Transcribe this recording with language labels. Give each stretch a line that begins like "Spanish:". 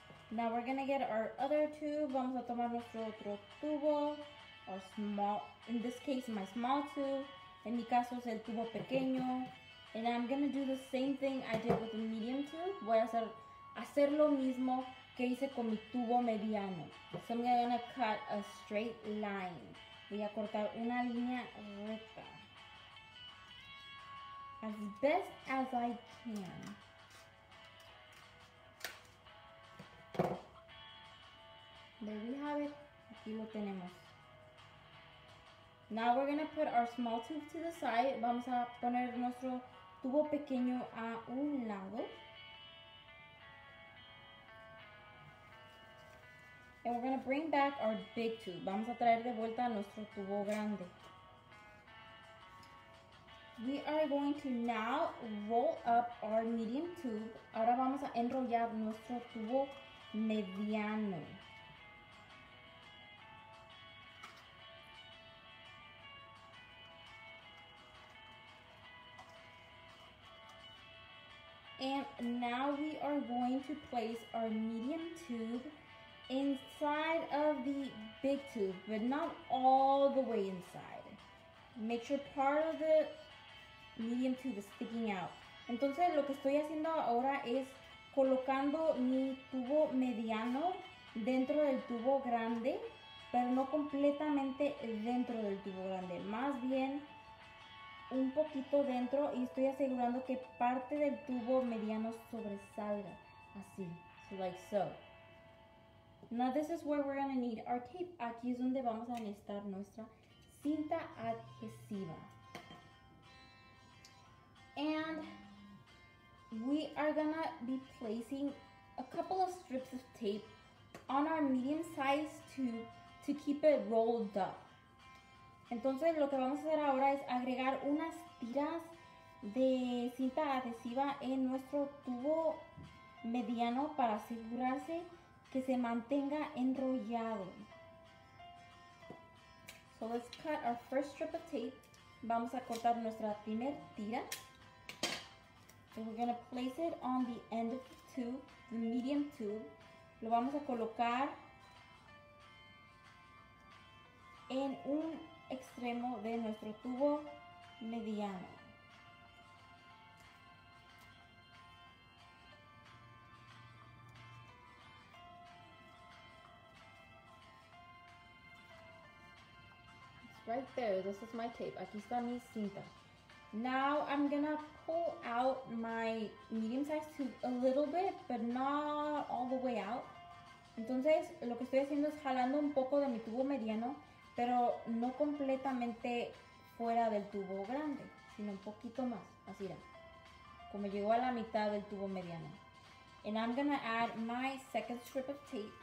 English: Now we're going to get our other tube.
Spanish: Vamos a tomar nuestro otro tubo.
English: Our small, in this case, my small tube.
Spanish: En mi caso es el tubo pequeño.
English: And I'm going to do the same thing I did with the medium tube.
Spanish: Voy a hacer lo mismo que hice con mi tubo mediano.
English: So I'm going to cut a straight line.
Spanish: Voy a cortar una línea recta.
English: As best as I can. There we have it.
Spanish: Aquí lo tenemos.
English: Now we're going to put our small tube to the side.
Spanish: Vamos a poner nuestro tubo pequeño a un lado.
English: And we're going to bring back our big tube.
Spanish: Vamos a traer de vuelta nuestro tubo grande.
English: We are going to now roll up our medium tube.
Spanish: Ahora vamos a enrollar nuestro tubo mediano.
English: And now we are going to place our medium tube inside of the big tube, but not all the way inside. Make sure part of the medium tube is sticking out.
Spanish: Entonces, lo que estoy haciendo ahora es colocando mi tubo mediano dentro del tubo grande, pero no completamente dentro del tubo grande, más bien un poquito dentro, y estoy asegurando que parte del tubo mediano sobresalga, así,
English: so like so. Now this is where we're going to need our tape.
Spanish: Aquí es donde vamos a necesitar nuestra cinta adhesiva.
English: And we are going to be placing a couple of strips of tape on our medium size to keep it rolled up.
Spanish: Entonces, lo que vamos a hacer ahora es agregar unas tiras de cinta adhesiva en nuestro tubo mediano para asegurarse que se mantenga enrollado.
English: So, let's cut our first strip of tape.
Spanish: Vamos a cortar nuestra primer tira.
English: And we're going to place it on the end of the tube, the medium tube.
Spanish: Lo vamos a colocar en un extremo de nuestro tubo mediano.
English: It's right there. This is my tape.
Spanish: Aquí está mi cinta.
English: Now I'm gonna pull out my medium size tube a little bit, but not all the way out.
Spanish: Entonces, lo que estoy haciendo es jalando un poco de mi tubo mediano, pero no completamente fuera del tubo grande, sino un poquito más, así era. Como llegó a la mitad del tubo mediano.
English: And I'm gonna add my second strip of tape.